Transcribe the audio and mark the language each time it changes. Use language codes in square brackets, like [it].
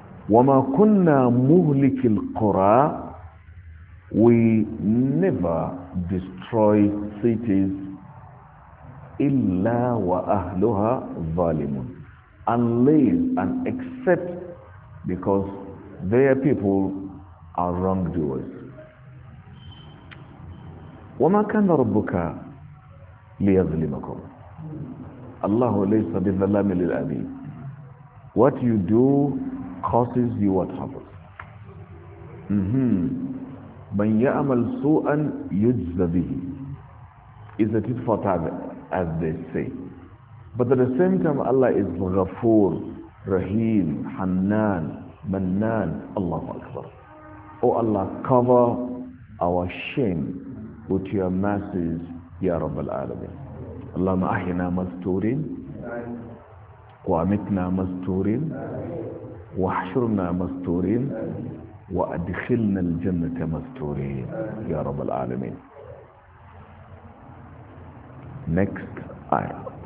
[ar] وَمَا كُنَّا مُهْلِكِ الْقُرَى [en] We never destroy cities [ar] إِلَّا وَأَهْلُهَا ظَالِمُونَ [en] Unless and except because their people are wrongdoers. [ar] وَمَا كَانَ رَبُّكَ لِيَظْلِمَكُمْ اللَّهُ لَيْسَ بِظَلَّامِ لِلْعَبِيدِ [en] What you do causes you what happens. [ar] من يعمل سوءا يجزى به. [en] Is a tit for tat, as they say. But at the same time, Allah is Ghafoor, Rahim, Hannan, Mannan, Allahu Akbar. Oh Allah, cover our shame with your mercies, [ar] Ya Rabb al-Alamin. Allahumma ahyina masturin. وَأَمِتْنَا مَسْتُورِينَ وَحْشُرْنَا مَسْتُورِينَ وَأَدْخِلْنَا الْجَنَّةَ مَسْتُورِينَ يَا رَبَّ الْعَالَمِينَ [en] Next ayah.